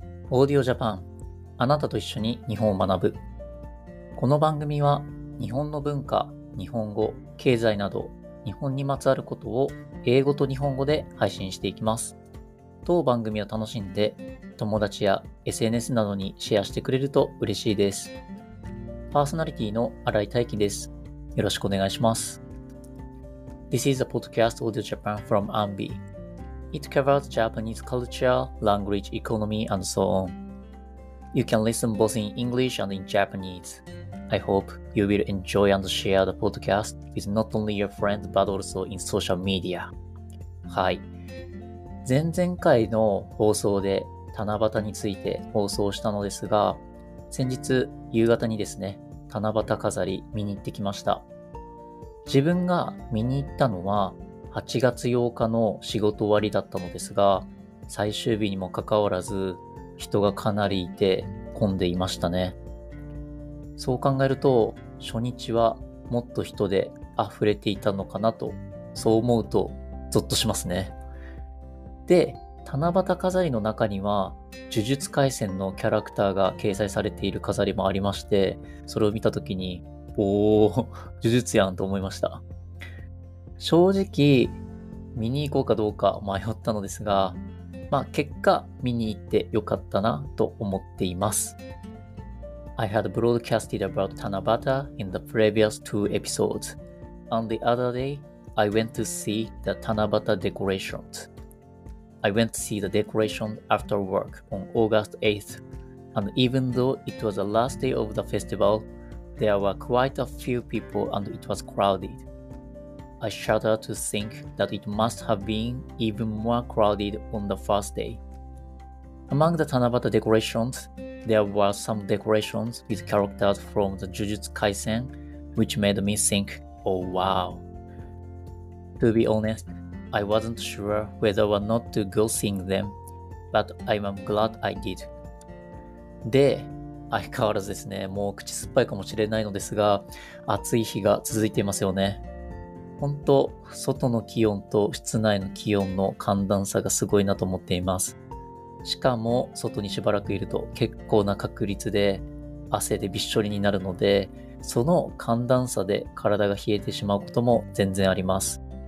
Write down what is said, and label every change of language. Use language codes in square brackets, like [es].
[ja] オーディオジャパン、あなたと一緒に日本を学ぶ。この番組は日本の文化、日本語、経済など日本にまつわることを英語と日本語で配信していきます。当番組を楽しんで友達や SNS などにシェアしてくれると嬉しいです。パーソナリティの新井大輝です。よろしくお願いします。 [en] This is a podcast Audio Japan from Ambi. It covers Japanese culture, language, economy and so on. You can listen both in English and in Japanese. I hope you will enjoy and share the podcast with not only your friends but also in social media. [ja] はい、前々回の放送で七夕について放送したのですが、先日夕方にですね、七夕飾り見に行ってきました。自分が見に行ったのは8月8日の仕事終わりだったのですが、最終日にもかかわらず人がかなりいて混んでいましたね。そう考えると初日はもっと人で溢れていたのかなと、そう思うとゾッとしますね。で、七夕飾りの中には呪術廻戦のキャラクターが掲載されている飾りもありまして、それを見た時に、おー、呪術やんと思いました。正直見に行こうかどうか迷ったのですが、まあ結果見に行ってよかったなと思っています。 [en] I had broadcasted about Tanabata in the previous two episodes. On the other day, I went to see the Tanabata decorationsI went to see the decoration after work on August 8th, and even though it was the last day of the festival, there were quite a few people and it was crowded. I shudder to think that it must have been even more crowded on the first day. Among the Tanabata decorations, there were some decorations with characters from the Jujutsu Kaisen, which made me think, oh wow. To be honest,I wasn't sure whether or not to go seeing them, but I'm glad I did. [ja] で、相変わらずですね、もう口酸っぱいかもしれないのですが、暑い日が続いていますよね。本当、外の気温と室内の気温の寒暖差がすごいなと思っています。しかも、外にしばらくいると結構な確率で汗でびっしょりになるので、その寒暖差で体が冷えてしまうことも全然あります。